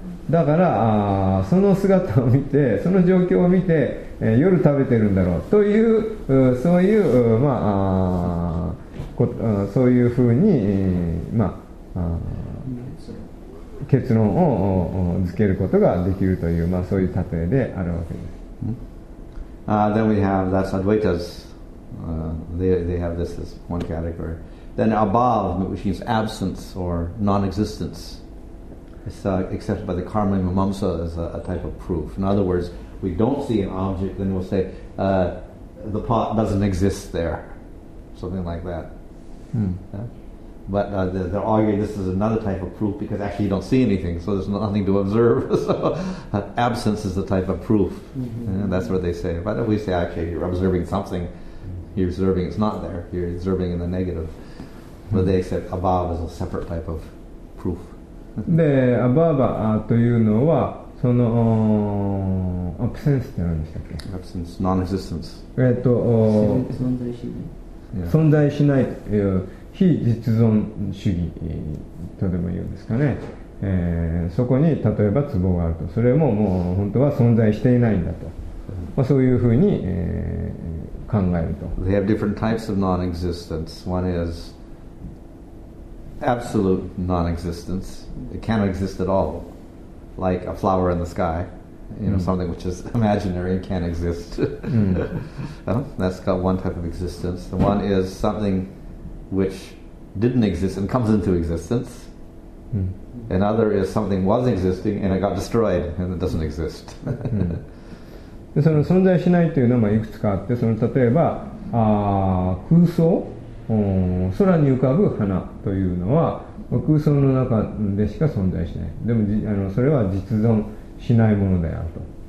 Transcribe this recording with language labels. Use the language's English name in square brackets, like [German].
[Japanese] だからその姿を見て、その状況を見て、夜食べてるんだろうというそういうまあそういうふうにまあ結論をつけることができるというまあそういう例えであるわけです。 [English] Then we have that's Advaitas. They have this as one category. Then above, which means absence or non-existence. It's accepted by the karma mimamsa as a type of proof. In other words, we don't see an object, then we'll say, the pot doesn't exist there. Something like that. Yeah? But they're arguing this is another type of proof because actually you don't see anything, so there's nothing to observe. So absence is the type of proof. Mm-hmm. And that's what they say. But if we say, okay, you're observing something, you're observing it's not there. You're observing in the negative. Mm-hmm. But they accept above as a separate type of proof. [Japanese] で、アバーバーというのはそのアプセンスって何でしたっけ？ [English] アプセンス、ノンエクジスタンス。 [Japanese] 存在しないという非実存主義とでも言うんですかね、そこに例えば壺があると、それももう本当は存在していないんだと、まあ、そういうふうに、考えると。 [English] They have different types of non-existence. One isAbsolute non-existence. It cannot exist at all. Like a flower in the sky. You know, something which is imaginary and can't exist. That's got one type of existence. The one is something which didn't exist and comes into existence. Another is something was existing and it got destroyed and it doesn't exist. [Japanese] で、その存在しないというのはいくつかあって、その例えば、空想、空に浮かぶ花というのは空想の中でしか存在しない。でもそれは実存しないものであると。